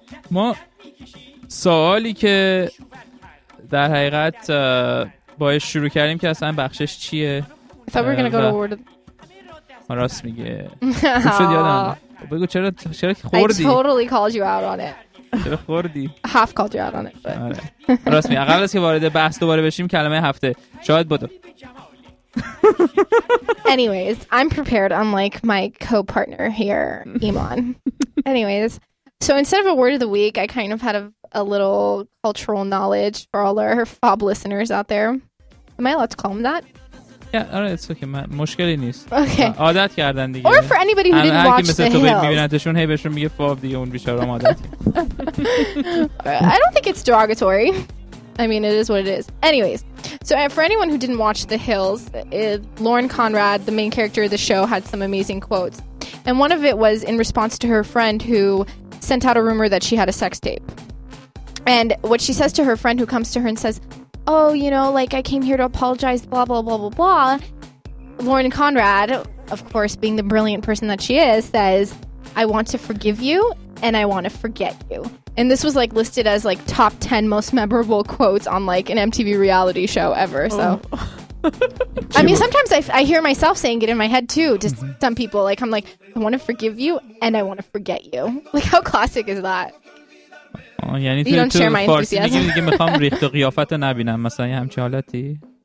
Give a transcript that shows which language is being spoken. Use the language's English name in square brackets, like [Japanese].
[Persian] ما سوالی که در حقیقت باهاش شروع کردیم که اصلا بخشش چیه؟ راست میگه. شد یادم. بگو چرا خوردی؟ [English] I totally called you out on it. [Persian] چرا خوردی؟ [English] Half called you out on it. [Persian] راست میگه. قبل از که وارد بحث دوباره بشیم کلمه هفته. شاید بود. [English] Anyways, I'm prepared unlike my co-partner here, Iman. Anyways, so instead of a word of the week, I kind of had a little cultural knowledge for all our fab listeners out there. Am I allowed to call them that? Yeah, all right, it's okay. Man. [Persian] مشکلی نیست. [English] Okay. [Persian] عادت کردن دیگه. [English] Or for anybody who didn't watch the Hills. [Persian] میبینتشون هی بهشون میگه فاب دیگه اون بیچاره هم عادت. [English] I don't think it's derogatory. I mean, it is what it is. Anyways, so for anyone who didn't watch The Hills, Lauren Conrad, the main character of the show, had some amazing quotes. And one of it was in response to her friend who sent out a rumor that she had a sex tape. And what she says to her friend who comes to her and says, oh, you know, like, I came here to apologize, blah, blah, blah, blah, blah. Lauren Conrad, of course, being the brilliant person that she is, says, I want to forgive you and I want to forget you. And this was, like, listed as, like, top 10 most memorable quotes on, like, an MTV reality show ever. Oh. So, I mean, sometimes I hear myself saying it in my head, too, to some people. Like, I'm like, I want to forgive you and I want to forget you. Like, how classic is that? [Persian] یعنی تو تو فارسی میگیم دیگه میخوام ریخت و قیافت رو نبینم مثلا یه همچه حالتی